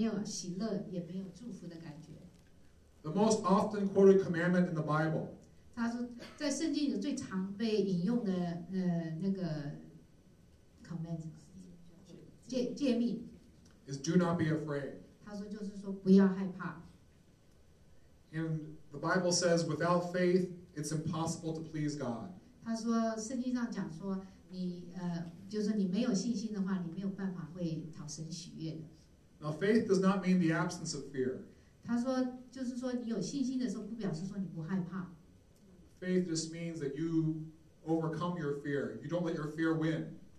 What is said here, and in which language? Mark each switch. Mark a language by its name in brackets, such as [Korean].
[Chinese] 他说害怕也会就是说残害，然后偷就是让你那个没有喜乐也没有祝福的感觉。 [English] The most often quoted commandment in the Bible. [Chinese] 他说在圣经里最常被引用的那个 command 诫命 [English] is do not be afraid. [Chinese] 他说就是说不要害怕。 [English] And the Bible says without faith, it's impossible to please God. [Chinese] 他说圣经上讲说，你就是你没有信心的话，你没有办法会讨神喜悦的。Now [English] faith does not mean the absence of fear. [Chinese] 他说就是说你有信心的时候，不表示说你不害怕。Faith [English] just means that you overcome your fear. You don't let your fear win.